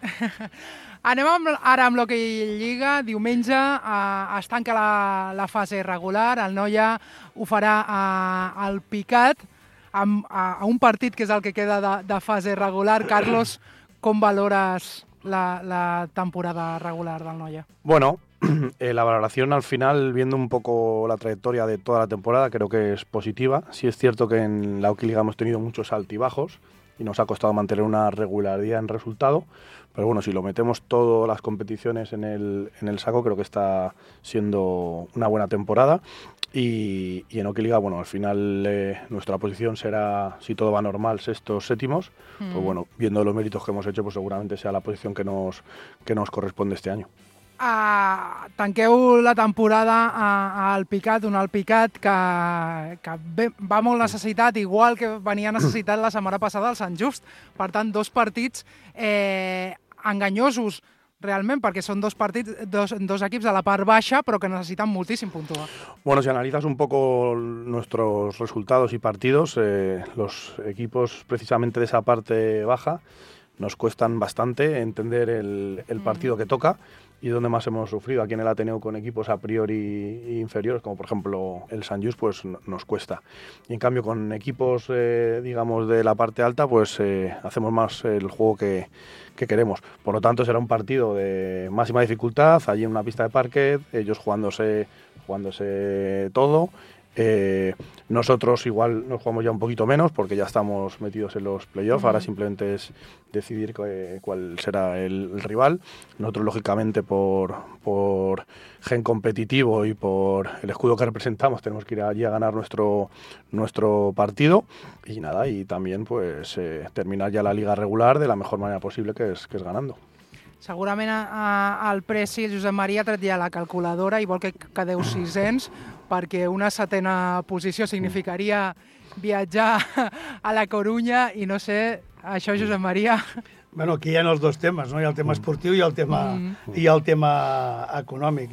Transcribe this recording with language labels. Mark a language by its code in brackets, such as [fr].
[ca] Vinent. Anem ara amb l'Hockey Lliga. Diumenge es tanca la fase regular. El Noia ho farà al Picat, a un partit que és el que queda de fase regular. Carlos, com valores la temporada regular del Noia? [es] Bueno, la valoración al final, viendo un poco la trayectoria de toda la temporada, creo que es positiva. Sí es cierto que en la Hockey Liga hemos tenido muchos altibajos y nos ha costado mantener una regularidad en resultado. Pero bueno, si lo metemos todas las competiciones en el saco, creo que está siendo una buena temporada. Y en Hockey Liga, bueno, al final nuestra posición será, si todo va normal, sextos, séptimos. Mm. Pues bueno, viendo los méritos que hemos hecho, pues seguramente sea la posición que nos corresponde este año. [ca] Tanqueu la temporada al Picat, un al Picat que va molt necessitat, igual que venia necessitat la setmana passada al Sant Just. Per tant, dos partits enganyosos realment, perquè són dos partits, dos equips de la part baixa, però que necessiten moltíssim puntuar. [es] Bueno, si analizas un poco nuestros resultados y partidos, los equipos precisamente de esa parte baja nos cuestan bastante entender el partido que toca. y donde más hemos sufrido. Aquí en el Ateneo con equipos a priori inferiores, como por ejemplo el San Just, pues nos cuesta. Y en cambio con equipos, digamos, de la parte alta, pues hacemos más el juego que queremos. Por lo tanto, será un partido de máxima dificultad, allí en una pista de parquet, ellos jugándose todo. Nosotros igual nos jugamos ya un poquito menos porque ya estamos metidos en los playoffs. Ahora simplemente es decidir cuál será el rival. Nosotros, lógicamente, por gen competitivo y por el escudo que representamos, tenemos que ir allí a ganar nuestro partido y nada, y también pues terminar ya la liga regular de la mejor manera posible, que es ganando. [ca] Segurament el Presi, Josep Maria, ha tret ja la calculadora i vol que quedeu 600, perquè una setena posició significaria viatjar a la Corunya i no sé, això, Josep Maria... Bueno, aquí hi ha els dos temes, no? Hi ha el tema esportiu i el tema, i el tema econòmic.